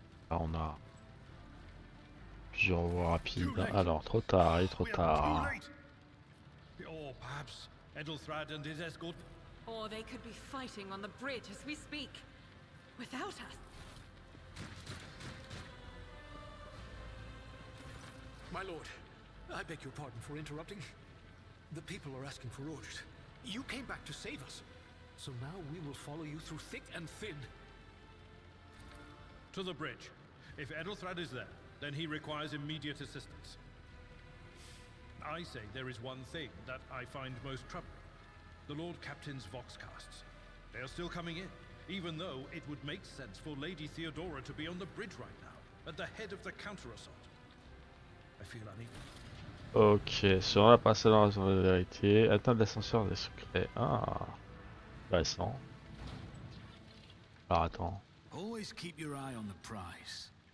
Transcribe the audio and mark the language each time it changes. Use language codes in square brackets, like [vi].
[fr] Là, on a plusieurs voies rapides. Alors, trop tard, et trop tard. [en] Or perhaps Edelthrad and his escort. Or they could be fighting on the bridge as we speak. Without us. My lord, I beg your pardon for interrupting. The people are asking for orders. You came back to save us. So now we will follow you through thick and thin. To the bridge. If Edelthrad is there, then he requires immediate assistance. I say there is one thing that I find most troubling. The Lord Captain's Voxcasts. They are still coming in, even though it would make sense for Lady Theodora to be on the bridge right now, at the head of the counter-assault. I feel uneasy. [fr] Ok, sur la passée dans la zone de vérité, atteinte l'ascenseur des secrets. Ah, intéressant. Alors attends. [en] Always keep your eye on the prize.